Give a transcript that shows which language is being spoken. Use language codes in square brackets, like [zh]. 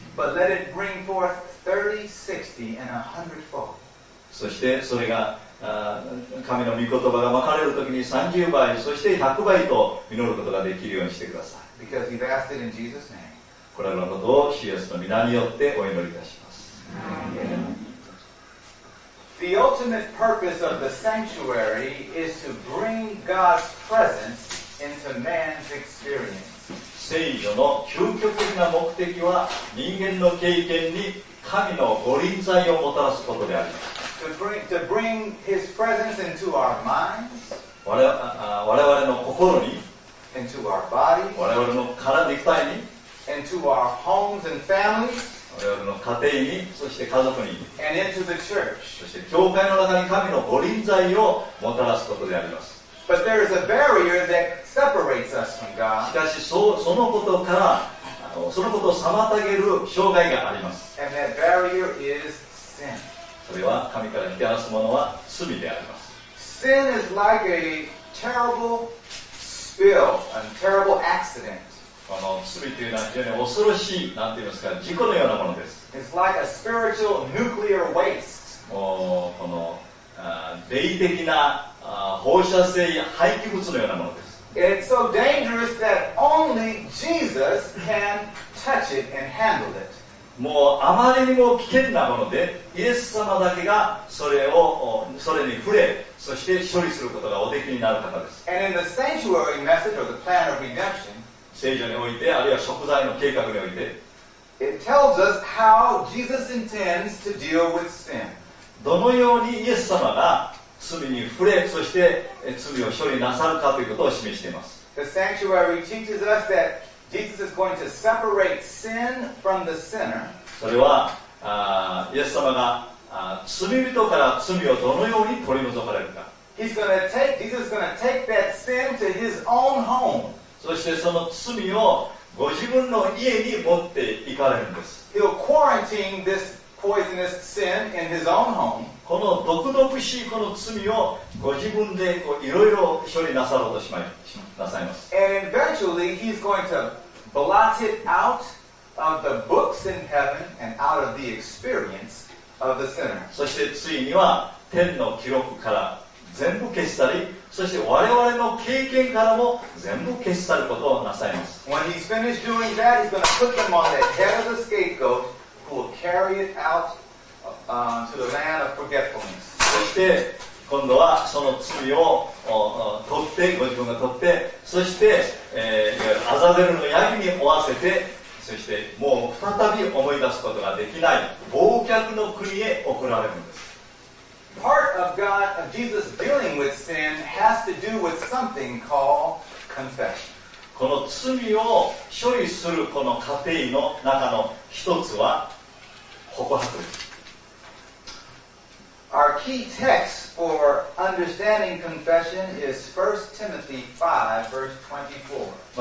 [en] But let it bring forth 30, 60, and 100 fold. [ja] そしてそれが神の御言葉がまかれるときに30倍そして100倍と実ることができるようにしてください。 [en] Because you've asked it in Jesus' name. [ja] これらのことをイエスの御名によってお祈りいたします。 [en] The ultimate purpose of the sanctuary is to bring God's presence into man's experience. [ja] 聖所の究極的な目的は人間の経験に神の御臨在をもたらすことであります。 [en] To bring His presence into our minds, [ja] 我々の心に、 [en] into our bodies, [ja] 我々の体体に、 [en] into our homes and families, [ja] 我々の家庭に、そして家族に、 [en] and into the church, [ja] そして教会の中に神の御臨在をもたらすことであります。 [en] But there is a barrier that separates us from God. [ja] しかし、そのことから、そのことを妨げる障害があります。 [en] And that barrier is sin. [ja] それは神から引き離すものは罪であります。 [en] Sin is like a terrible spill, a terrible accident. [ja] この罪というのは非常に恐ろしい、なんて言いますか、事故のようなものです。 [en] It's like a spiritual nuclear waste. [ja] もうこの霊的な放射性廃棄物のようなものです。 [en] It's so dangerous that only Jesus can touch it and handle it. [ja] もうあまりにも危険なもので、イエス様だけがそれに触れ、そして処理することがおできになる方です。 [en] And in the sanctuary method or the plan of redemption, [ja] 聖書において、あるいは贖罪の計画において、 [en] it tells us how Jesus intends to deal with sin. [ja] どのようにイエス様が罪に触れ、そして罪を処理なさるかということを示しています。 [en] The sanctuary teaches us that Jesus is going to separate sin from the sinner. [ja] それは、イエス様が罪人から罪をどのように取り除かれるか。 [en] Jesus is going to take that sin to his own home. [ja] そしてその罪をご自分の家に持っていかれるんです。 [en] He'll quarantine this poisonous sin in his own home. [ja] この毒々しいこの罪をご自分でいろいろ処理なさろうとしまいなさいます。 [en] And eventually he's going to blot it out of the books in heaven and out of the experience of the sinner. [ja] そしてついには天の記録から全部消し去り、そして我々の経験からも全部消し去ることをなさいます。 [en] When he's finished doing that, he's going to put them on the head of the scapegoat who will carry it outto the land of forgetfulness. [ja] そして今度はその罪を取って、ご自分が取って、そして、アザゼルのヤギに追わせて、そしてもう再び思い出すことができない忘却の国へ送られるんです。 [en] Part of God of Jesus dealing with sin has to do with something called confession. [ja] この罪を処理するこの過程の中の一つは告白です。 [en] Our key text for understanding confession is 1 Timothy 5, verse 24.